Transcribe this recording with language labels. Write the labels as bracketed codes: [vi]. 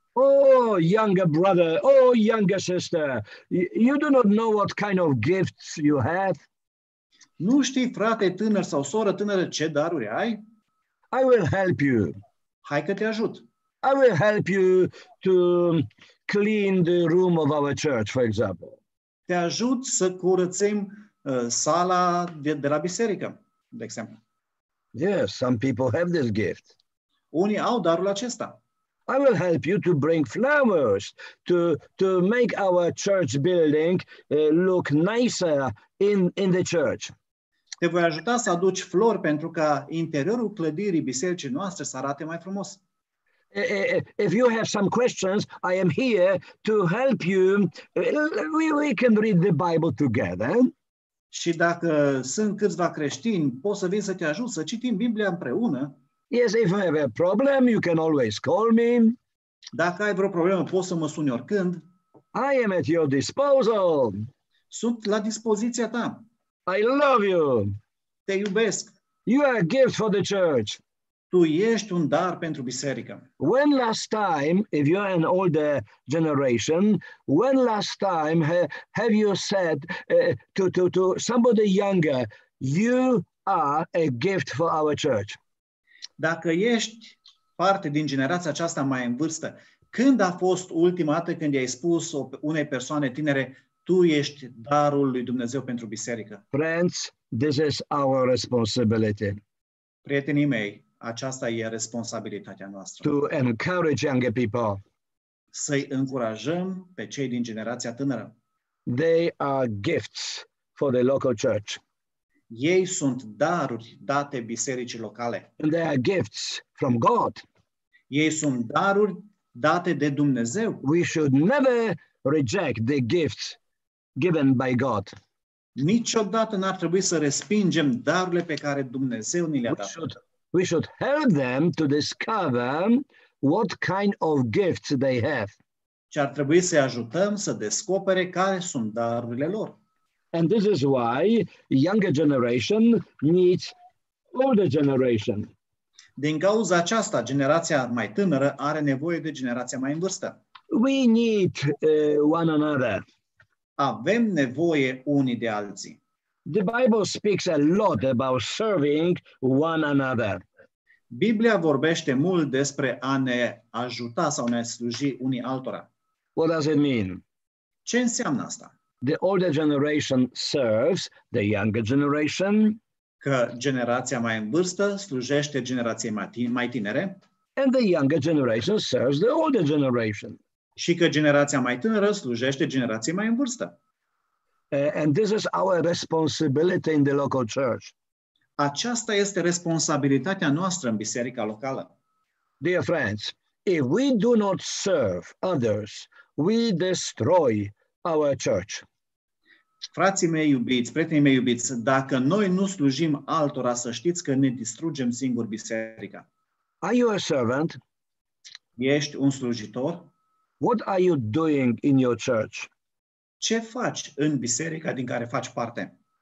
[en] Oh, younger brother, oh, younger sister, you do not know what kind of gifts you have. [ro] Nu știi, frate tânăr sau soră tânără, ce daruri ai? [en] I will help you. [ro] Hai că te ajut. [en] I will help you to clean the room of our church, for example. [ro] Te ajut să curățim sala de la biserică, de exemplu. [en] Yes, some people have this gift. [ro] Unii au darul acesta. [en] I will help you to bring flowers, to make our church building look nicer in the church. [ro] Te voi ajuta să aduci flori pentru ca interiorul clădirii bisericii noastre să arate mai frumos. [en] If you have some questions, I am here to help you. We can read the Bible together. [ro] Și dacă sunt câțiva creștini, pot să vin să te ajut să citim Biblia împreună. [en] Yes, if you have a problem, you can always call me. [ro] Dacă ai vreo problemă, poți să mă suni oricând. [en] I am at your disposal. [ro] Sunt la dispoziția ta. [en] I love you. [ro] Te iubesc. [en] You are a gift for the church. [ro] Tu ești un dar pentru biserică. [en] When last time, if you are an older generation, when last time have you said to somebody younger, you are a gift for our church? [ro] Dacă ești parte din generația aceasta mai în vârstă, când a fost ultima dată când i-ai spus unei persoane tinere, tu ești darul lui Dumnezeu pentru biserică? [en] Friends, this is our responsibility. [ro] Prietenii mei, aceasta e responsabilitatea noastră. [en] To encourage younger people. [ro] Să-i încurajăm pe cei din generația tânără. [en] They are gifts for the local church. [ro] Ei sunt daruri date bisericii locale. [en] And they are gifts from God. [ro] Ei sunt daruri date de Dumnezeu. [en] We should never reject the gifts given by God. [ro] Niciodată n-ar trebui să respingem darurile pe care Dumnezeu ni le-a dat. [en] We should help them to discover what kind of gifts they have. [ro] Ce ar trebui să ajutăm să descopere care sunt darurile lor. [en] And this is why younger generation needs older generation. [ro] Din cauza aceasta, generația mai tânără are nevoie de generația mai în vârstă. [en] We need one another. [ro] Avem nevoie unii de alții. [en] The Bible speaks a lot about serving one another. [ro] Biblia vorbește mult despre a ne ajuta sau ne sluji unii altora. [en] What does it mean? [ro] Ce înseamnă asta? [en] The older generation serves the younger generation. [ro] Că generația mai în vârstă slujește generației mai tinere. [en] And the younger generation serves the older generation. [ro] Și că generația mai tânără slujește generației mai în vârstă. [en] And this is our responsibility in the local church. [ro] Aceasta este responsabilitatea noastră în biserica locală. [en] Dear friends, if we do not serve others, we destroy our church. [ro] Frații mei iubiți, prietenii mei iubiți, dacă noi nu slujim altora, să știți că ne distrugem singur biserica. [en] Are you a servant? [ro] Ești un slujitor? [en] What are you doing in your church? [ro] Ce faci în biserica din care faci parte?